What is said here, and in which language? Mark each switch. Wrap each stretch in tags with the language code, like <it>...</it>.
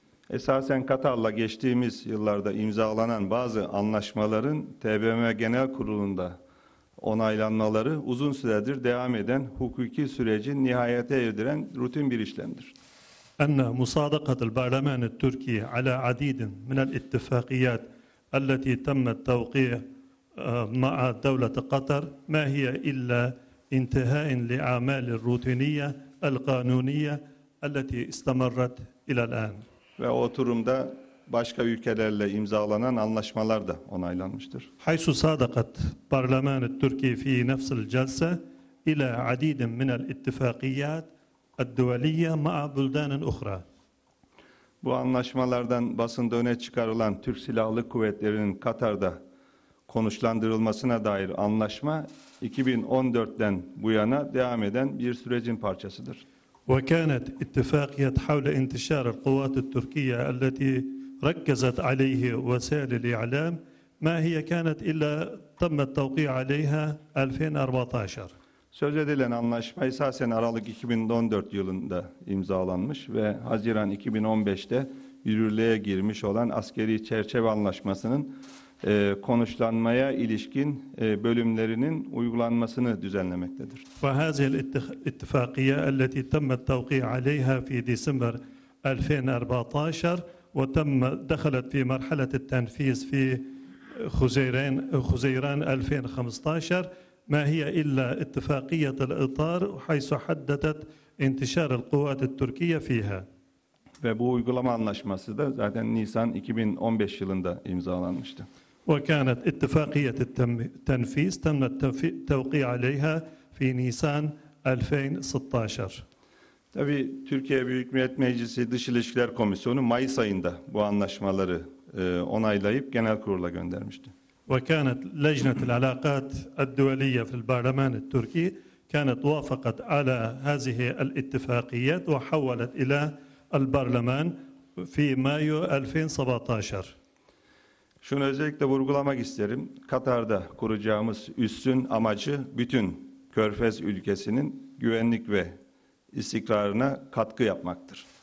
<tr>Esasen Katar'la geçtiğimiz yıllarda imzalanan bazı anlaşmaların TBMM Genel Kurulu'nda onaylanmaları uzun süredir devam eden hukuki sürecin nihayete erdiren rutin bir işlemdir.</tr> <ar>أن مصادقة البرلمان التركي على عديد من الاتفاقيات التي تم التوقيع مع دولة قطر ما هي إلا انتهاء لأعمال الروتينية القانونية التي استمرت إلى الآن.</ar> <tr>Ve oturumda başka ülkelerle imzalanan anlaşmalar da onaylanmıştır.</tr> <ar>حيث صادقت برلمان التركي في نفس الجلسة إلى عديد من الاتفاقيات الدولية مع بلدان أخرى.</ar> <tr>Bu anlaşmalardan basında öne çıkarılan Türk Silahlı Kuvvetleri'nin Katar'da konuşlandırılmasına dair anlaşma 2014'ten bu yana devam eden bir sürecin parçasıdır.</tr> <ar>وكانت اتفاقية حول انتشار القوات التركية التي ركزت عليه وسائل الإعلام ما هي كانت إلا تم التوقيع عليها 2014.</ar> <tr>Söz edilen anlaşma esasen Aralık 2014 yılında imzalanmış ve Haziran 2015'te yürürlüğe girmiş olan askeri çerçeve anlaşmasının konuşlanmaya ilişkin bölümlerinin uygulanmasını düzenlemektedir.</tr> <ar>وهذه الاتفاقية التي تم التوقيع عليها في ديسمبر 2014 وتم دخلت في مرحلة التنفيذ في حزيران 2015 ما هي إلا اتفاقية الإطار حيث حددت انتشار القوات التركية فيها.</ar> <tr>Ve bu uygulama anlaşması da zaten Nisan 2015 yılında imzalanmıştı.</tr> <ar>وكانت اتفاقية التنفيذ تم التوقيع عليها في نيسان 2016.</ar> <tr>Tabii Türkiye Büyük Millet Meclisi Dış İlişkiler Komisyonu Mayıs ayında bu anlaşmaları onaylayıp genel kurula göndermişti.</tr> <ar>وكانت لجنة العلاقات الدولية في البرلمان التركي كانت وافقت على هذه الاتفاقيات وحولت إلى البرلمان في مايو 2017.</ar> <tr>Şunu özellikle vurgulamak isterim. Katar'da kuracağımız üssün amacı bütün Körfez ülkesinin güvenlik ve istikrarına katkı yapmaktır.</tr>